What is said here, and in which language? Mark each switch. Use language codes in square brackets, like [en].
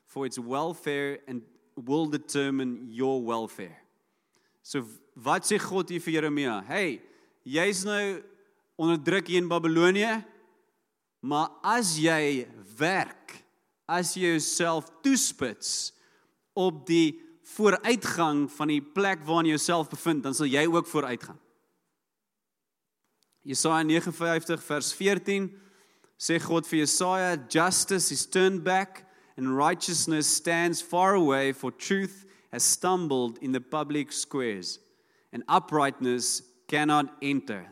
[en] for its welfare and will determine your welfare. [af] So wat sê God hier vir Jeremia? Hey, jy's nou onder druk hier in Babylonie, maar as jy werk, as jy jouself toespits op die vooruitgang van die plek waarin jy jouself bevind, dan sal jy ook vooruitgaan. Jesaja 59 vers 14 sê God vir Jesaja, [en] justice is turned back and righteousness stands far away, for truth has stumbled in the public squares and uprightness cannot enter.